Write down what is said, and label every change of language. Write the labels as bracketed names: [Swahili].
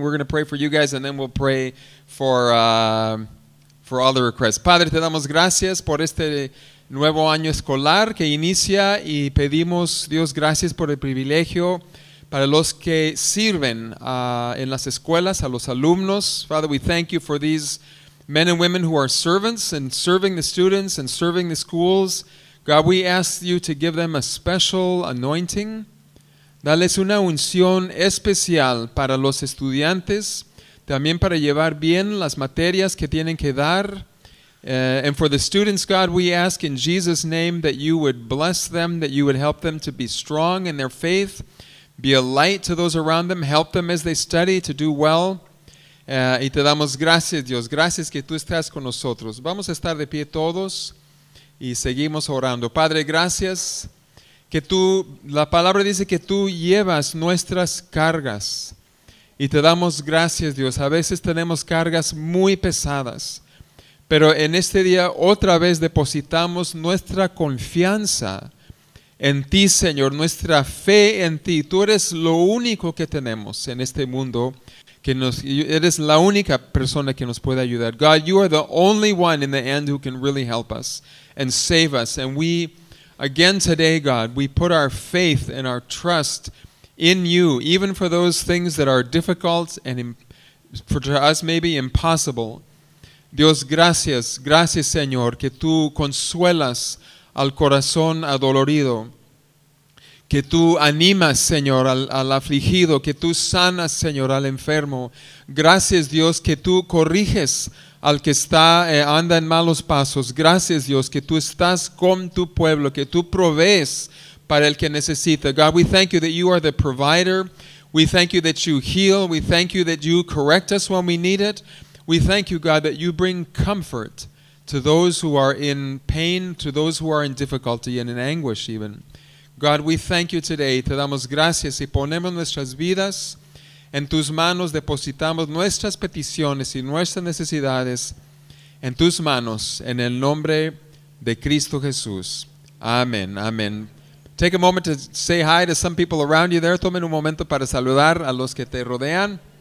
[English] We're going to pray for you guys and then we'll pray for all the requests. [Spanish] Padre, te damos gracias por este nuevo año escolar que inicia y pedimos, Dios, gracias por el privilegio para los que sirven en las escuelas, a los alumnos. [English] Father, we thank you for these men and women who are servants and serving the students and serving the schools. God, we ask you to give them a special anointing. [Spanish] Dales una unción especial para los estudiantes, también para llevar bien las materias que tienen que dar. [English] And for the students, God, we ask in Jesus' name that you would bless them, that you would help them to be strong in their faith, be a light to those around them, help them as they study to do well. [Spanish] Y te damos gracias, Dios, gracias que tú estás con nosotros. Vamos a estar de pie todos y seguimos orando. Padre, gracias que tú, la palabra dice que tú llevas nuestras cargas. Y te damos gracias, Dios. A veces tenemos cargas muy pesadas, pero en este día otra vez depositamos nuestra confianza en ti, Señor, nuestra fe en ti. Tú eres lo único que tenemos en este mundo. Eres la única persona que nos puede ayudar. [English] God, you are the only one in the end who can really help us and save us. And we, again today, God, we put our faith and our trust in you, even for those things that are difficult and for us maybe impossible. [Spanish] Dios, gracias, gracias, Señor, que tú consuelas al corazón adolorido. Que tú animas, Señor, al afligido. Que tú sanas, Señor, al enfermo. Gracias, Dios, que tú corriges al que está anda en malos pasos. Gracias, Dios, que tú estás con tu pueblo. Que tú provees para el que necesita. [English] God, we thank you that you are the provider. We thank you that you heal. We thank you that you correct us when we need it. We thank you, God, that you bring comfort to those who are in pain, to those who are in difficulty and in anguish even. God, we thank you today. [Spanish] Te damos gracias y ponemos nuestras vidas en tus manos. Depositamos nuestras peticiones y nuestras necesidades en tus manos, en el nombre de Cristo Jesús. Amén, amén. [English] Take a moment to say hi to some people around you there. [Spanish] Tomen un momento para saludar a los que te rodean.